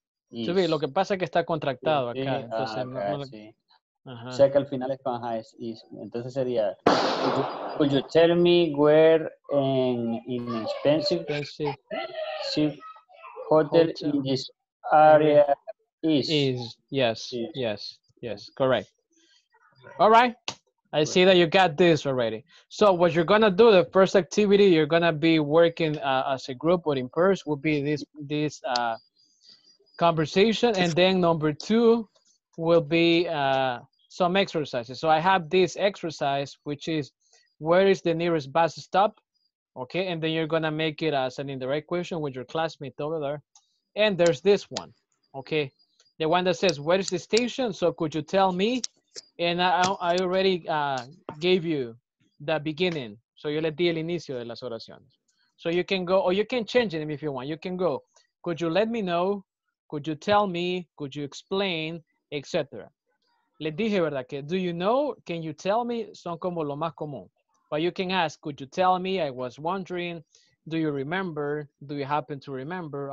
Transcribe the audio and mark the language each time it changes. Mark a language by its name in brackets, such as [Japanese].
[Spanish] Sí, bien, lo que pasa es que está contractado acá. Sí, entonces, acá, no, sí. Ajá. O sea que al final es con is. Entonces sería, [English] could you tell me where an inexpensive hotel in this area is? Yes, correct. All right, I see that you got this already. So what you're going to do, the first activity you're going to be working as a group or in pairs would be this conversation, and then number two will be some exercises. So I have this exercise, which is where is the nearest bus stop? Okay, and then you're gonna make it as an indirect question with your classmate over there. And there's this one, okay? The one that says, where is the station? So could you tell me? And I already gave you the beginning. [Spanish] So yo le di el inicio de las oraciones. [English] So you can go, or you can change it if you want. You can go, could you let me know? Could you tell me? Could you explain? Etc. [Spanish] Le dije, ¿verdad? Que [English] do you know? Can you tell me? [Spanish] Son como lo más común. [English] But you can ask, could you tell me? I was wondering. Do you remember? Do you happen to remember?